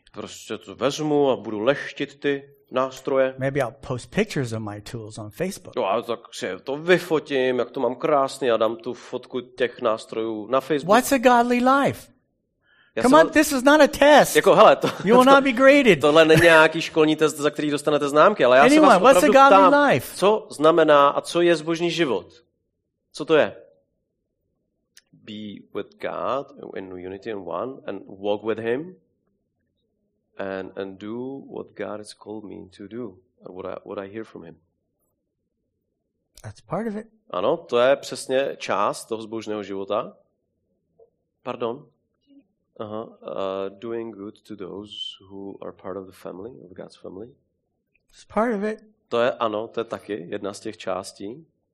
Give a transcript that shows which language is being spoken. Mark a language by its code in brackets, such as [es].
[cs] Prostě to vezmu a budu leštit ty nástroje. [en] Maybe I'll post pictures of my tools on Facebook. [cs] No, tak si to vyfotím, jak to mám krásný, a dám tu fotku těch nástrojů na Facebook. [en] What's a godly life? Come on, this is not a test. [cs] Jako hele, to. [en] You will not be graded. [cs] Tohle není nějaký školní test, za který dostanete známky, ale já [en] anyone, [cs] se vás opravdu [en] what's a godly [cs] ptám, [en] life? [cs] Co znamená a co je zbožný život? Co to je? [en] Be with God in unity and one, and walk with Him, and do what God has called me to do, and what I hear from Him. That's part of it. [cs] Ano, to je přesně část toho zbožného života. [en] Pardon. Doing good to those who are part of the family of God's family. It's part of it. [cs] To je ano, to je taky jedna z těch částí.